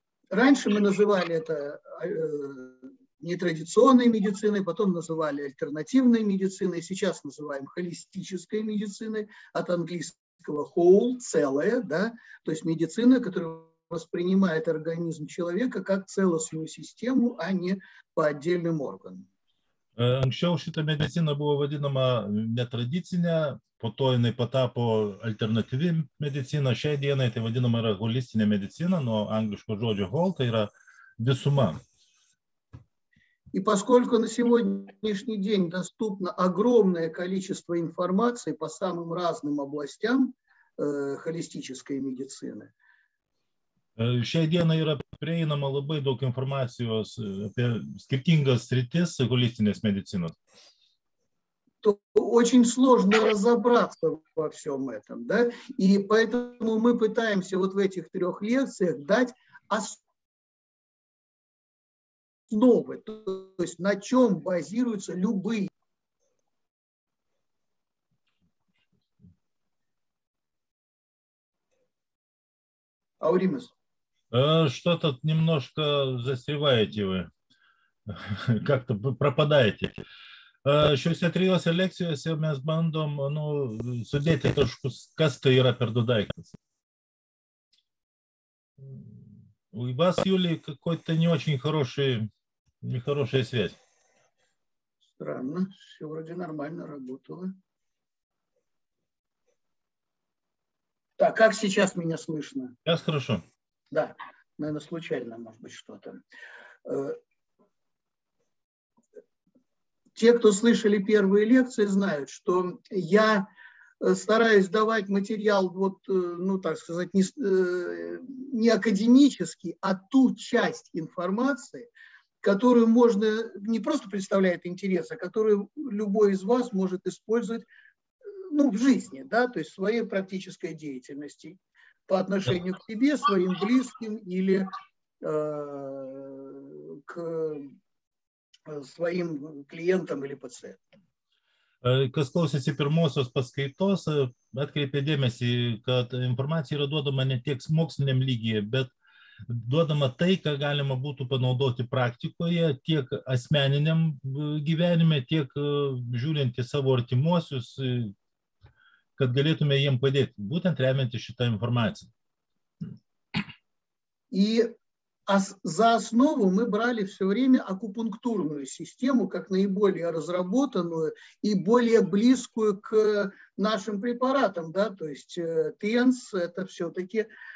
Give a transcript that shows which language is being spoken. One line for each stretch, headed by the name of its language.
Russian: Раньше мы называли это нетрадиционной медициной, потом называли альтернативной медициной, сейчас называем холистической медициной, от английского whole, целое, да, то есть медицина, которая воспринимает организм человека как целостную систему, а не по отдельным органам.
Lithuanian: Anksčiau šita medicina buvo vadinama netradicinė, po to jinai patapo alternatyvi medicina, šiai dienai tai vadinama yra holistinė medicina, nuo angliško žodžio whole, tai yra visuma.
Russian: И поскольку на сегодняшний день доступно огромное количество информации по самым разным областям холистической медицины.
Lithuanian: Šiai dienai yra prieinama labai daug informacijos apie skirtingas sritis holistinės medicinos.
Russian: То очень сложно разобраться во всем этом, да? И поэтому мы пытаемся вот в этих трех лекциях дать основы, то есть на чем базируются любые. Ауримис. Что-то немножко застреваете вы, как-то пропадаете.
Lithuanian: Šiuose trijose lekcijose mes bandom, ну, sudėti taškus, kas tai yra per du daiktas.
Russian: У вас, Юлий, какой-то не очень нехорошая связь. Странно, все вроде нормально работало. Так, как сейчас меня слышно? Сейчас хорошо. Да. Наверное, случайно, может быть, что-то. Те, кто слышали первые лекции, знают, что я стараюсь давать материал, вот, ну, так сказать, не академический, а ту часть информации, которую можно не просто представляет интерес, а которую любой из вас может использовать, ну, в жизни, да, то есть в своей практической деятельности. По отношению к себе, своим близким или к своим клиентам или пациентам.
Lithuanian: Kas klausėsi pirmosios paskaitos, atkreipė dėmesį, kad informacija yra duodama ne tiek moksliniam lygyje, bet duodama tai, ką galima būtų panaudoti praktikoje, tiek asmeniniam gyvenime, tiek žiūrint į savo artimuosius, kad galėtume jiems padėti, būtent remiantis šitą informaciją.
Russian: И за основу мы брали все время акупунктурную систему, как наиболее разработанную и более близкую к нашим препаратам, да, то есть TENS – это все-таки